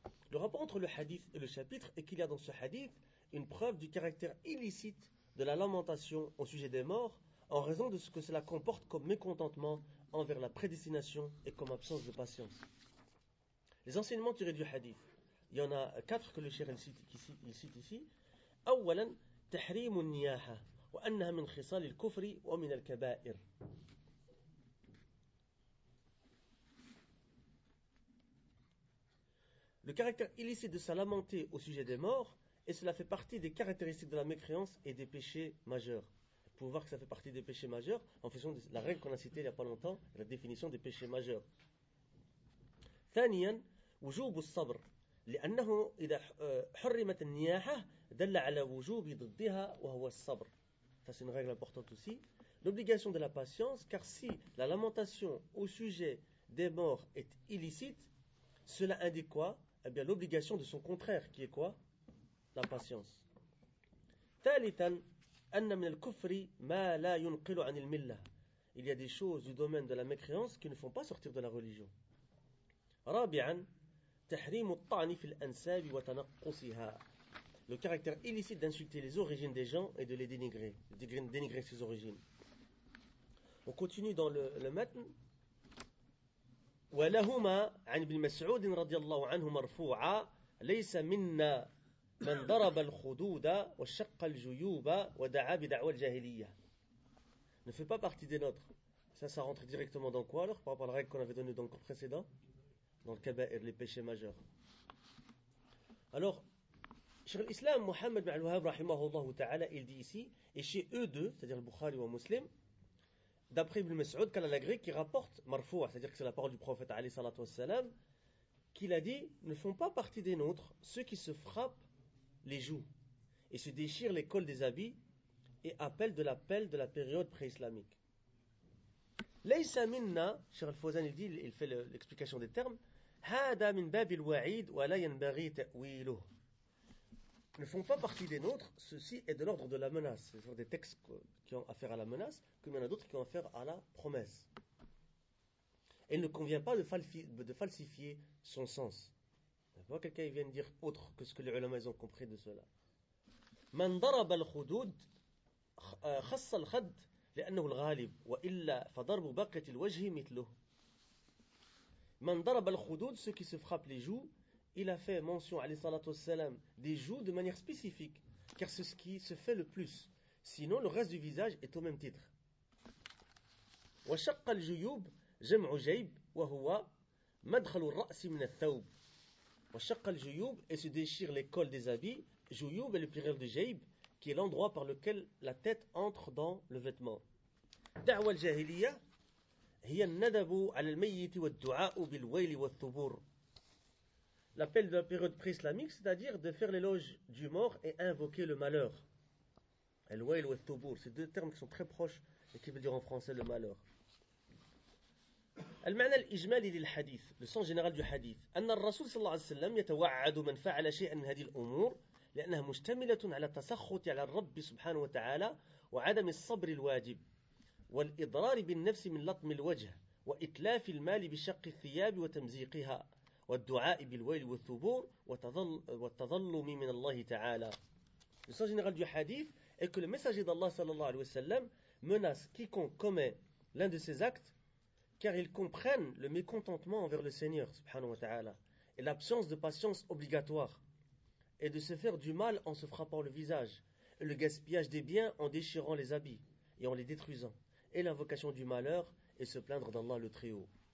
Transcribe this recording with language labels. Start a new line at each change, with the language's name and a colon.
French: Le rapport entre le hadith et le chapitre est qu'il y a dans ce hadith une preuve du caractère illicite de la lamentation au sujet des morts en raison de ce que cela comporte comme mécontentement envers la prédestination et comme absence de patience. Les enseignements tirés du hadith, il y en a quatre que le cheikh cite ici.
Arabic: Awalan, تحريم النياحة وأنها من خصال الكفر ومن الكبائر.
French: Le caractère illicite de sa lamenter au sujet des morts, et cela fait partie des caractéristiques de la mécréance et des péchés majeurs. Vous pouvez voir que ça fait partie des péchés majeurs en fonction de la règle qu'on a citée il n'y a pas longtemps, la définition des péchés majeurs.
Arabic: ثانيا وجوب الصبر لأنه إذا حرمت النياحة دل على وجوب ضدها وهو الصبر.
French: Ça c'est une règle importante aussi. L'obligation de la patience, car si la lamentation au sujet des morts est illicite, cela indique quoi? Eh bien l'obligation de son contraire, qui est quoi? La patience.
Arabic: ثالثا أن من الكفر ما لا ينقل عن الملة.
French: Il y a des choses du domaine de la mécréance qui ne font pas sortir de la religion.
Arabic: رابعا تحريم الطعن في الأنساب وتنقصها.
French: Le caractère illicite d'insulter les origines des gens et de les dénigrer, dénigrer ses origines. On continue dans le matn.
Arabic: ولهما عن ابن مسعود رضي الله عنه مرفوعا ليس منا من ضرب الخدود وشق الجيوب ودعا بدعوى الجاهلية.
French: Ne fait pas partie des nôtres. Ça rentre directement dans quoi alors par rapport à la règle qu'on avait donnée dans le précédent? Dans le kaba'ir, les péchés majeurs. Alors, Cheikh l'Islam, Mohammed ibn al-Wahhab, rahimahullah ta'ala, il dit ici, et chez eux deux, c'est-à-dire le Bukhari ou le Muslim, d'après Ibn Mas'ud, qu'à la grecque, qui rapporte, marfou, c'est-à-dire que c'est la parole du prophète, alayhi salatu wassalam, qu'il a dit, ne font pas partie des nôtres ceux qui se frappent les joues et se déchirent les cols des habits et appellent de l'appel de la période pré-islamique.
Arabic: Laysa minna,
French: Cheikh al-Fawzan il dit, il fait l'explication des termes,
Arabic: هذا من باب الوعيد ولا ينبغي تأويله.
French: Ne font pas partie des nôtres, ceci est de l'ordre de la menace. Ce sont des textes qui ont affaire à la menace, comme il y en a d'autres qui ont affaire à la promesse. Et il ne convient pas de falsifier son sens. Il n'y a pas quelqu'un qui vient dire autre que ce que les ulama ont compris de cela.
Arabic: من ضرب الخدود خص الخد لأنه الغالب وإلا فضرب باقية الوجه مثله. من ضرب الخدود,
French: ceux qui se frappent les joues, il a fait mention, alayhi salatu wassalam, des joues de manière spécifique, car c'est ce qui se fait le plus. Sinon, le reste du visage est au même titre.
Arabic: وشق الجيوب جمع جيب وهو مدخل الرأس من الثوب. وشق الجيوب,
French: et se déchire les cols des habits. جيوب est le pluriel de جيب, qui est l'endroit par lequel la tête entre dans le vêtement.
Arabic: دعوى الجاهلية هي الندب على الميت والدعاء بالويل والثبور.
French: L'appel de la période pré-islamique, c'est-à-dire de faire l'éloge du mort et invoquer le malheur.
Arabic: El wail wa thubur,
French: c'est deux termes qui sont très proches et qui veulent dire en français le malheur.
Arabic: Le معنى الإجمالي للحديث,
French: le sens général du hadith,
Arabic: أن الرسول صلى الله عليه وسلم يتوعد من فعل شيئا من هذه الأمور لأنها مشتملة على التسخط على الرب سبحانه وتعالى وعدم الصبر الواجب والإضرار بالنفس من لطم الوجه وإتلاف المال بشق الثياب وتمزيقها والدعاء بالويل والثبور والتظلم من الله تعالى.
French: Le sens général du hadith est que le messager d'Allah sallallahu alayhi wa sallam menace quiconque commet l'un de ces actes car ils comprennent le mécontentement envers le Seigneur subhanahu wa ta'ala et l'absence de patience obligatoire et de se faire du mal en se frappant le visage et le gaspillage des biens en déchirant les habits et en les détruisant et l'invocation du malheur et se plaindre d'Allah le Très-Haut.